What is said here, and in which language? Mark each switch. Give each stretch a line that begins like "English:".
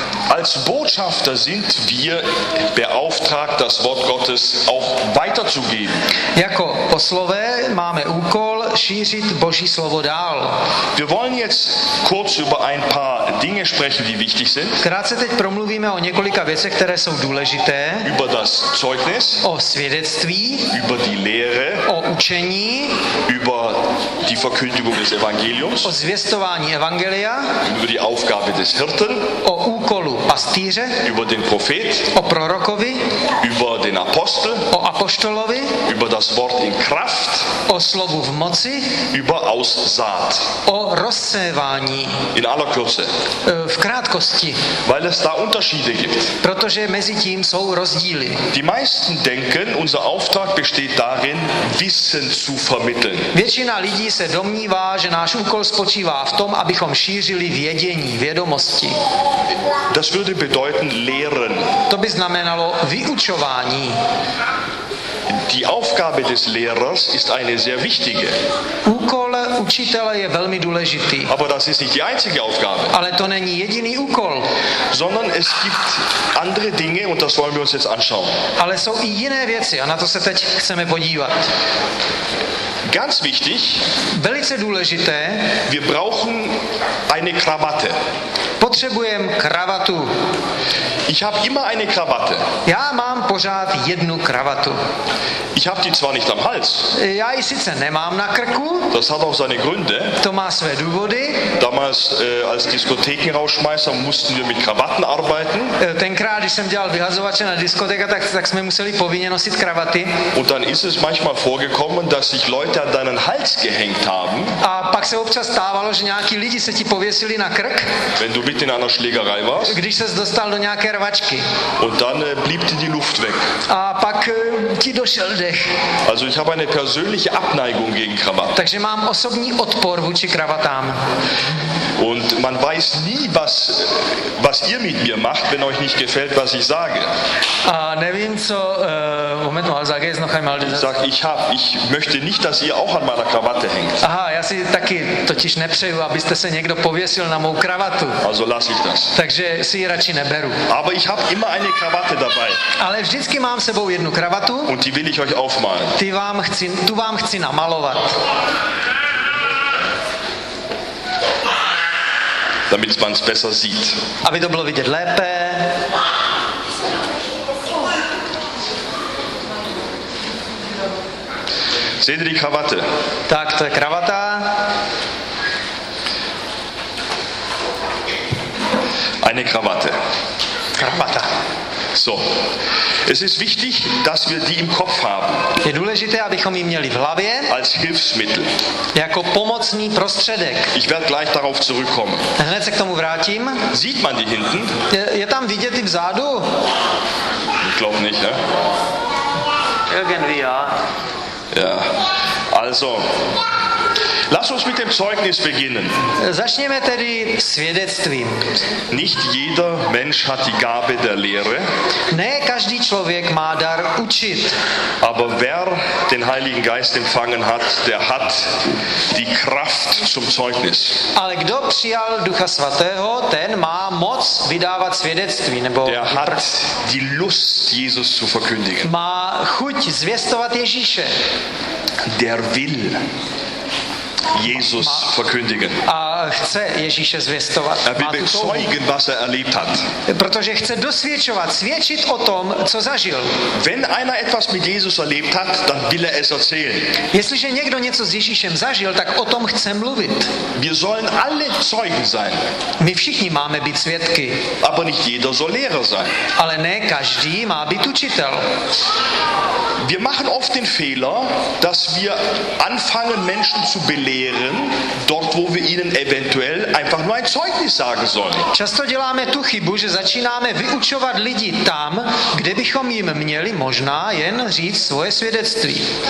German: Als Botschafter sind wir beauftragt, das Wort Gottes auch weiterzugeben.
Czech: Jako poslové máme úkol šířit Boží slovo dál.
German: Wir wollen jetzt kurz über ein paar Dinge sprechen, die wichtig sind.
Czech: Krátce teď promluvíme o několika věcech, které jsou důležité.
German: Über das Zeugnis.
Czech: O svědectví.
German: Über die Lehre.
Czech: O učení.
German: Über die Verkündigung des Evangeliums.
Czech: O zvěstování Evangelia.
German: Über die Aufgabe des Hirten.
Czech: O úkolu pastýře,
German: über den Prophet,
Czech: o prorokovi,
German: über den Apostel,
Czech: o apoštolovi,
German: über das Wort in Kraft,
Czech: o slovu v moci,
German: über Aussaat,
Czech: o rozsévání,
German: in aller Kürze,
Czech: v krátkosti,
German: weil es da Unterschiede gibt,
Czech: protože mezi tím jsou rozdíly.
German: Die meisten denken, unser Auftrag besteht darin, Wissen zu vermitteln.
Czech: Většina lidí se domnívá, že náš úkol spočívá v tom, abychom šířili vědění, vědomosti.
German: Das würde bedeuten lehren.
Czech: To by znamenalo vyučování.
German: Die Aufgabe des Lehrers ist eine sehr wichtige.
Czech: Úkol učitele je velmi důležitý.
German: Aber das ist nicht die einzige Aufgabe.
Czech: Ale to není jediný úkol.
German: Sondern es gibt andere Dinge und das wollen wir uns jetzt anschauen.
Czech: Ale jsou i jiné věci a na to se teď chceme podívat.
German: Ganz wichtig.
Czech: Velice důležité.
German: Wir brauchen eine Krawatte.
Czech: Potřebujem kravatu.
German: Ich habe immer eine Krawatte.
Czech: Já mám pořád jednu kravatu.
German: Ich habe die zwar nicht am Hals.
Czech: Já ji sice nemám na krku.
German: Das hat auch seine Gründe.
Czech: To má své důvody.
German: Damals als Diskothekenrauschmeister mussten wir mit Krawatten arbeiten.
Czech: Tenkrát, když jsem dělal vyhazovače na diskotéka, tak jsme museli povinně nosit kravaty.
German: Und dann ist es manchmal vorgekommen, dass sich Leute an deinen Hals gehängt haben.
Czech: A pak se občas stávalo, že nějaký lidi se ti pověsili na krk.
German: Wenn du mit in einer Schlägerei warst.
Czech: Když ses dostal do nějaké rvačky.
German: Und dann blieb dir die Luft weg.
Czech: A pak ti došel dech.
German: Also ich habe eine persönliche Abneigung gegen Krawatten.
Czech: Takže mám osobní odpor vůči kravatám.
German: Und man weiß nie, was ihr mit mir macht, wenn euch nicht gefällt, was ich sage.
Czech: A nevím, co
German: Moment mal, sage es noch einmal. Ich möchte nicht, dass ihr auch an meiner Krawatte hängt.
Czech: Aha, já si taky totiž nepřeju, abyste se někdo pověsil na mou kravatu.
German: Also lasse ich das.
Czech: Takže si ji radši neberu.
German: Aber ich habe immer eine Krawatte dabei.
Czech: Ale vždycky mám sebou jednu kravatu.
German: Und die will ich euch aufmalen.
Czech: Tu vám chci namalovat.
German: Damit man es besser sieht.
Czech: Aby to bylo vidět lépe.
German: Ja. Seht ihr die Krawatte?
Czech: Tak, ta kravata.
German: Eine Krawatte. Krawatta. So. Es ist wichtig, dass wir die im Kopf haben.
Czech: Je důležité, abychom ji měli v hlavě.
German: Als Hilfsmittel.
Czech: Jako pomocný prostředek.
German: Ich werde gleich darauf zurückkommen.
Czech: Hned se k tomu vrátím.
German: Sieht man die hinten?
Czech: Je tam vidět i vzadu?
German: Ich glaube nicht, ne? Irgendwie ja. Ja. Also, lass uns mit dem Zeugnis beginnen.
Czech: Začněme tedy svědectvím.
German: Nicht jeder Mensch hat die Gabe der Lehre.
Czech: Ne každý člověk má dar učit.
German: Aber wer den Heiligen Geist empfangen hat, der hat die Kraft zum Zeugnis.
Czech: Ale kdo přijal Ducha Svatého, ten má moc vydávat svědectví. Nebo
German: der hat die Lust, Jesus zu verkündigen.
Czech: Má chuť zvěstovat Ježíše.
German: Der will Jesus verkündigen.
Czech: A chce Ježíše zvěstovat.
German: Er will bezeugen, was er erlebt hat.
Czech: Protože chce dosvědčovat, svědčit o tom, co zažil.
German: Wenn einer etwas mit Jesus erlebt hat, dann will er es erzählen.
Czech: Jestliže někdo něco s Ježíšem zažil, tak o tom chce mluvit.
German: Wir sollen alle Zeugen sein.
Czech: My všichni máme být svědky.
German: Aber nicht jeder soll Lehrer sein.
Czech: Ale ne každý má být učitel.
German: Wir machen oft den Fehler, dass wir anfangen, Menschen zu belehren, dort, wo wir ihnen eventuell einfach nur ein Zeugnis sagen sollen.
Czech: Často děláme tu chybu, že začínáme vyučovat lidi tam, kde bychom jim měli možná jen říct svoje svědectví.